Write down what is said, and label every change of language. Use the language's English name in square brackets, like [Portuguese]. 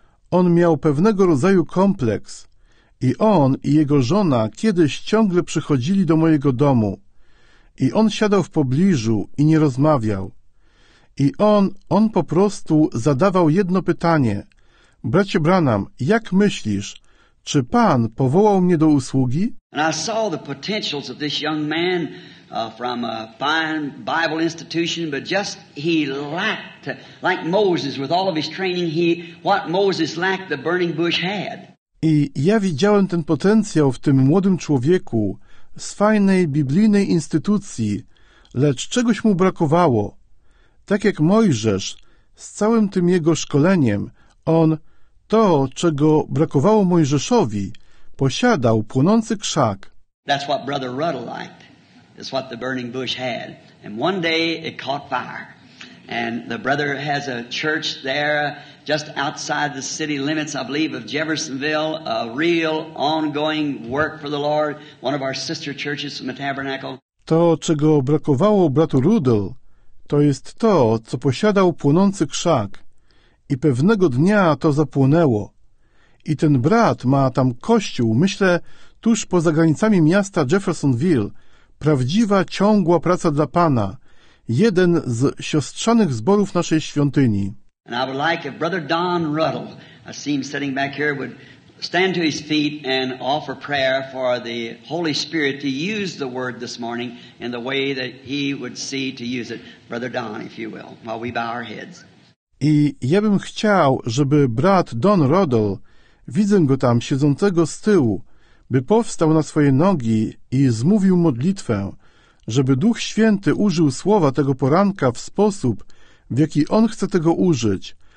[Polish] On miał pewnego rodzaju kompleks i on i jego żona kiedyś ciągle przychodzili do mojego domu i on siadał w pobliżu i nie rozmawiał. I on po prostu zadawał jedno pytanie. Bracie Branham, jak myślisz, czy Pan powołał mnie do usługi? [English] And I saw the potentials of this young man from a fine Bible institution, but just he lacked, like Moses with all of his training, what Moses lacked, the burning bush had. [Polish] I ja widziałem ten potencjał w tym młodym człowieku z fajnej biblijnej instytucji, lecz czegoś mu brakowało. Tak jak Mojżesz, z całym tym jego szkoleniem, on to, czego brakowało Mojżeszowi, posiadał płonący krzak. [English] That's what Brother Ruddle liked. That's what the burning bush had. And one day it caught fire. And the brother has a church there just outside the city limits, I believe, of Jeffersonville, a real ongoing work for the Lord, one of our sister churches from the Tabernacle. [Polish] To, czego brakowało bratu Rudel, to jest to, co posiadał płonący krzak. I pewnego dnia to zapłonęło. I ten brat ma tam kościół, myślę, tuż poza granicami miasta Jeffersonville, prawdziwa, ciągła praca dla Pana. Jeden z siostrzanych zborów naszej świątyni. [English] And I would like if Brother Don Ruddle, I see him sitting back here, would stand to his feet and offer prayer for the Holy Spirit to use the word this morning in the way that he would see to use it. Brother Don, if you will, while we bow our heads. [Polish] I ja bym chciał, żeby brat Don Ruddle, widzę go tam siedzącego z tyłu, by powstał na swoje nogi i zmówił modlitwę, żeby Duch Święty użył słowa tego poranka w sposób, w jaki On chce tego użyć.